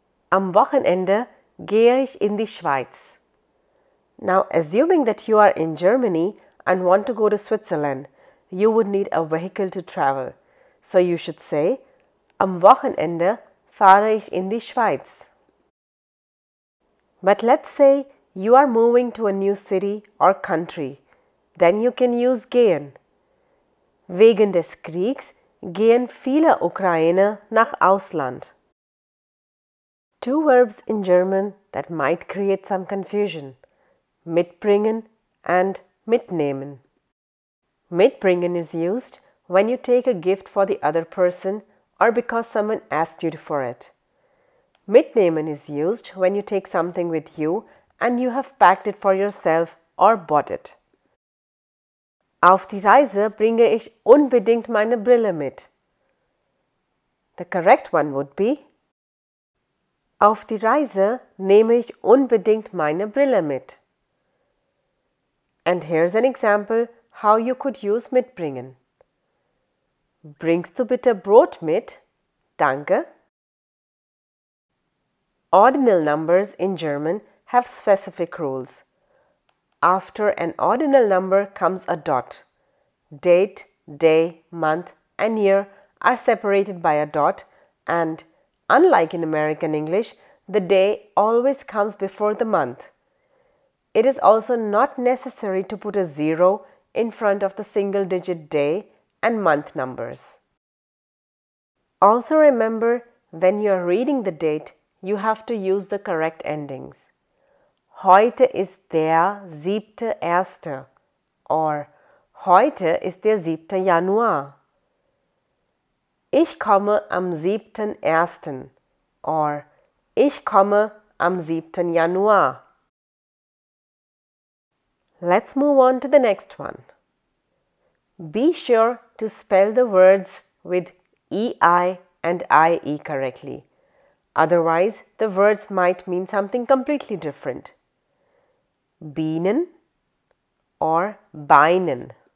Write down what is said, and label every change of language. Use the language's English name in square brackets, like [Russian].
[German] Am Wochenende gehe ich in die Schweiz. [English] Now, assuming that you are in Germany and want to go to Switzerland, you would need a vehicle to travel. So you should say, [German] am Wochenende fahre ich in die Schweiz. [English] But let's say you are moving to a new city or country. Then you can use gehen. [German] Wegen des Kriegs gehen viele Ukrainer nach Ausland. [English] Two verbs in German that might create some confusion. Mitbringen and mitnehmen. Mitbringen is used when you take a gift for the other person or because someone asked you for it. Mitnehmen is used when you take something with you and you have packed it for yourself or bought it. [German] Auf die Reise bringe ich unbedingt meine Brille mit. [English] The correct one would be, [German] auf die Reise nehme ich unbedingt meine Brille mit. [English] And here's an example how you could use mitbringen. [German] Bringst du bitte Brot mit? Danke. [English] Ordinal numbers in German have specific rules. After an ordinal number comes a dot. Date, day, month, and year are separated by a dot, and unlike in American English, the day always comes before the month. It is also not necessary to put a zero in front of the single digit day and month numbers. Also remember, when you are reading the date, you have to use the correct endings. [German] Heute ist der siebte erste, or heute ist der siebte Januar. Ich komme am siebten ersten, or ich komme am siebten Januar. [English] Let's move on to the next one. Be sure to spell the words with EI and IE correctly. Otherwise, the words might mean something completely different. [German] Bienen or Beinen.